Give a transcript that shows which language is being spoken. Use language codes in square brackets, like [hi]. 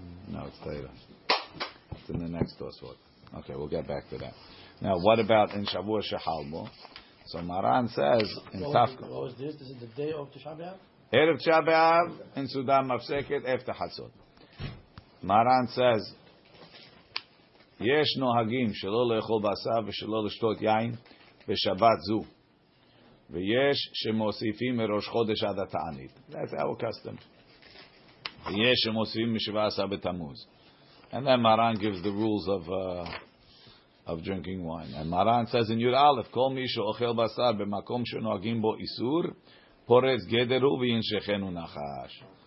[en] No, it's later. It's in the next Tosfot. Okay, we'll get back to that. Now, what about in Shavua Shehalmo? So Maran says in Tafka. What was this? This is the day of Tisha Be'av? Erev Tisha Be'av in Sudan Mafseket after Hatzot. Maran says, [he] יש נוהגים שלא לאכול בשר ושלא לשתות יין בשבת זו. ויש שמוסיפים מראש חודש עד התענית. [en] That's our custom. [he] ויש שמוסיפים משבעה עשר בתמוז. [en] And then Maran gives the rules of drinking wine. And Maran says in Yud Aleph, [he] כל מי שאוכל בשר במקום שנוהגים בו איסור, פורץ גדרו וינשכנו נחש.